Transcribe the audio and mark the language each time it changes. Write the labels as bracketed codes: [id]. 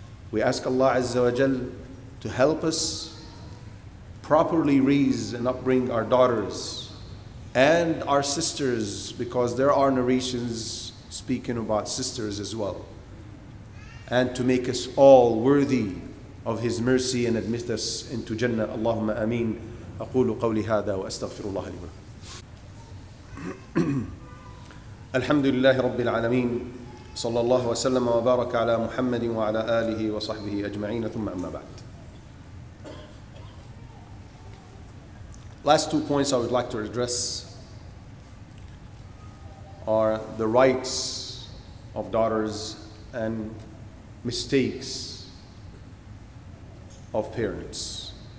[en] We ask Allah Azza wa Jal to help us properly raise and upbring our daughters and our sisters, because there are narrations speaking about sisters as well, and to make us all worthy of His mercy and admit us into Jannah. Allahumma ameen. [ar] أقول قولي هذا وأستغفر الله لي ولكم. الحمد لله رب العالمين صلى الله وسلم وبارك على محمد وعلى آله وصحبه أجمعين ثم أما بعد. [en] Last two points I would like to address are the rights of daughters and mistakes of parents.